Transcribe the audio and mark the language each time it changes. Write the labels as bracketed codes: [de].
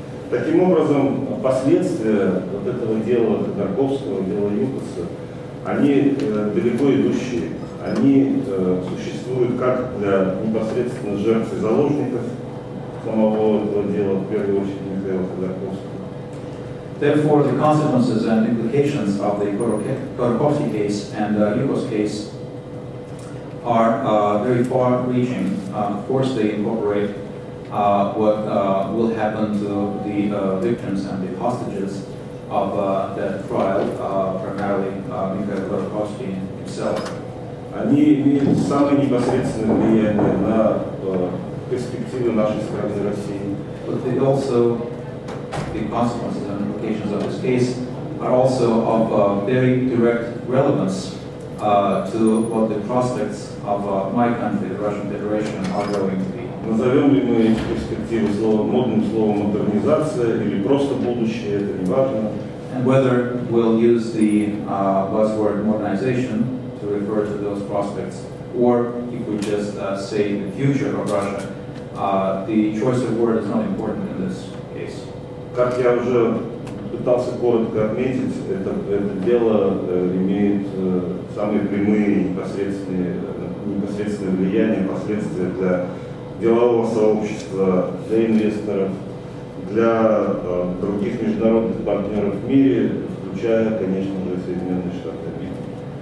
[ru] Таким образом, последствия вот этого дела Тарковского, дела Юкоса, они далеко идущие. Они существуют как для непосредственно жертв и заложников самого этого дела, в первую очередь Михаила Ходорковского. [en] Therefore, the consequences and implications of the Ходорковский case and the Юкос case are very far-reaching. Of course, they incorporate what will happen to the victims and the hostages of that trial, primarily Mikhail Khodorkovsky himself. [ru] Они имеют самое непосредственное влияние на перспективы нашей страны России. [en] But they also, the consequences and implications of this case are also of very direct relevance to what the prospects of my country, the Russian Federation, are going to be. [ru] Назовем ли мы эти перспективы словом, модным словом модернизация или просто будущее, это не важно. [en] And whether we'll use the buzzword modernization to refer to those prospects, or if we just say the future of Russia, the choice of word is not important in this case. [ru] Как я уже пытался коротко отметить, это дело имеет самые прямые непосредственные влияния, последствия для делового сообщества, для инвесторов, для других международных партнеров в мире, включая, конечно же, Соединенные Штаты Америки.